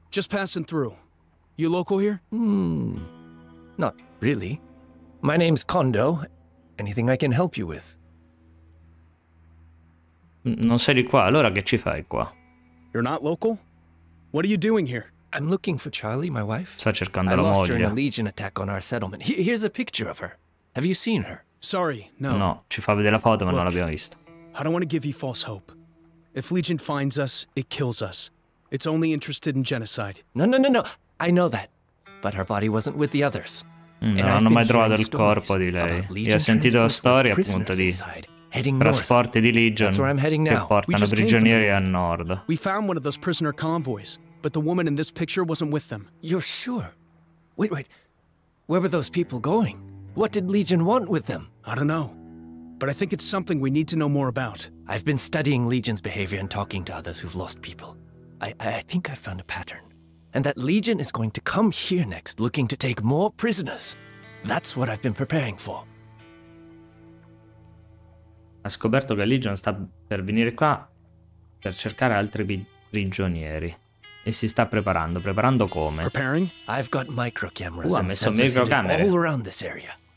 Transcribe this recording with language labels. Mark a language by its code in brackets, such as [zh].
[en] Just passing through. You local here? Not really. My name's Kondo. Anything I can help you with? [it] Non sei di qua, allora che ci fai qua? [en] You're not local? What are you doing here? I'm looking for Charlie, my wife. [it] Sta cercando la moglie. [en] I lost her in a Legion attack on our settlement. Here's a picture of her. Have you seen her? Sorry, no. [it] No, ci fa vedere la foto, ma [en] Look, [it] non l'abbiamo vista. [en] I don't want to give you false hope. If Legion finds us, it kills us. It's only interested in genocide. No. I know that. But her body wasn't with the others. [it] Non hanno mai trovato il corpo di lei. Io ho sentito storie appunto di trasporti di Legion che portano prigionieri a nord. [en] We found one of those prisoner convoys, but the woman in this picture wasn't with them. You're sure? Wait. Where were those people going? What did Legion want with them? I don't know. But I think it's something we need to know more about. I've been studying Legion's behavior and talking to others who've lost people. I think I've found a pattern. And that Legion is going to come here next, looking to take more prisoners. That's what I've been preparing for. [it] Ha scoperto che Legion sta per venire qua per cercare altri prigionieri. E si sta preparando. Preparando come? [en] Preparing? I've got microcameras and sensors hidden all around this area.